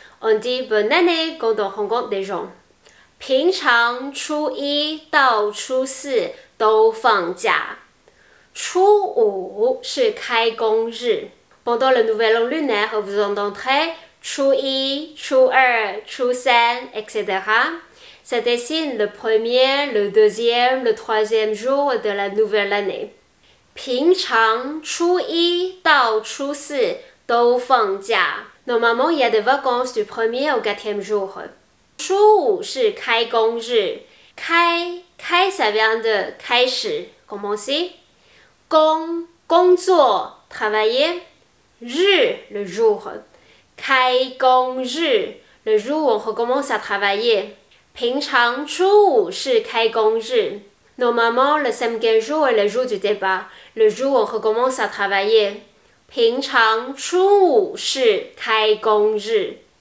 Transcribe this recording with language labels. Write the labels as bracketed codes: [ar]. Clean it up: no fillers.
[fr] On dit bonne année quand on rencontre des gens. [zh] 平常初一到初四, 都放假。初五是开工日。 [fr] Pendant le nouvel an lunaire, vous entendrez [zh] 初一, 初二, 初三, [fr] etc. Ça dessine le premier, le deuxième, le troisième jour de la nouvelle année. [zh] 平常初一到初四都放假。 [fr] Normalement, il y a des vacances du premier au quatrième jour. [zh] 初五是开工日。 [fr] 开, ça vient de 开始, commencer. [zh] 工, 工作, travailler. [fr] 日, le jour. 开工日, le jour où on recommence à travailler. [zh] 平常初五是开工日. [fr] Normalement, le cinquième jour est le jour du débat. Le jour où on recommence à travailler. [zh] 平常初五是开工日.